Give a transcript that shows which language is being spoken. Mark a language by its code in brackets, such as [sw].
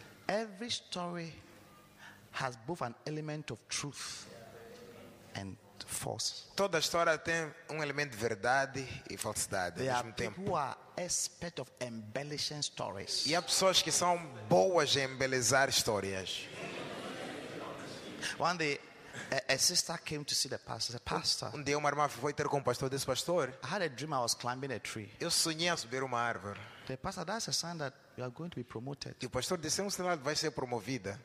[en] every story has both an element of truth and false. [pt] Toda história tem elemento de verdade e falsidade ao mesmo tempo. [en] Who are expert of embellishing stories. [pt] E há pessoas que são boas em embelezar histórias. [en] One day, a sister came to see the pastor. Said, pastor. [pt] Um dia uma irmã foi ter com o pastor. Disse, pastor, [en] I had a dream I was climbing a tree. [pt] Eu sonhei a subir uma árvore. [en] The pastor, that's a sign that you are going to be promoted. [pt] E o pastor disse, é um sinal que vai ser promovida.